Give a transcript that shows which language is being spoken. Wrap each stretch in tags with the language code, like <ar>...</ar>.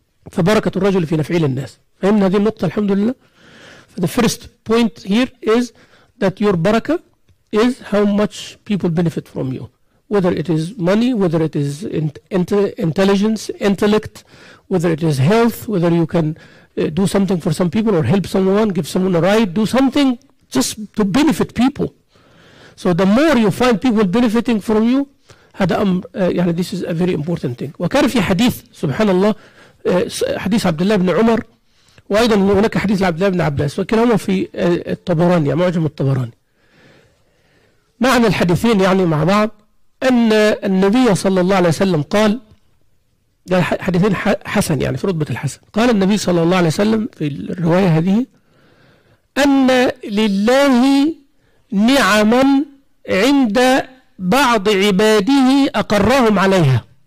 <ar>فبركة الرجل في نفع الناس. فهمنا هذه النقطة الحمد لله.</ar> <en>The first point here is that your بركة is how much people benefit from you. Whether it is money, whether it is intelligence, intellect, whether it is health, whether you can do something for some people or help someone, give someone a ride, do something just to benefit people. So the more you find people benefiting from you,</en> <ar>هذا أمر يعني</ar> <en>this is a very important thing.</en> <ar>وكان في حديث سبحان الله حديث عبد الله بن عمر، وأيضا هناك حديث عبد الله بن عباس، وكلاهما في الطبراني، يعني معجم الطبراني. معنى الحديثين يعني مع بعض أن النبي صلى الله عليه وسلم قال، حديثين حسن يعني في رتبة الحسن، قال النبي صلى الله عليه وسلم في الرواية هذه أن لله نعما عند بعض عباده أقرهم عليها.</ar>